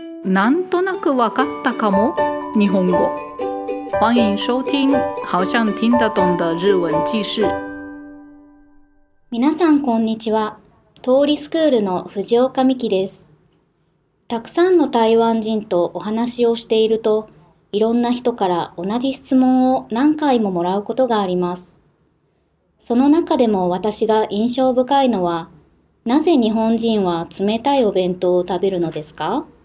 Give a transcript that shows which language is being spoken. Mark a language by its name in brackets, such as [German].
[Japanese] なんとなくわかったかも日本語。 [Chinese] 欢迎收听好像听得懂的日文记事。 [Japanese] 皆さんこんにちは。通りスクールの藤岡美希です。たくさんの台湾人とお話をしていると、いろんな人から同じ質問を何回ももらうことがあります。その中でも私が印象深いのは、なぜ日本人は冷たいお弁当を食べるのですか？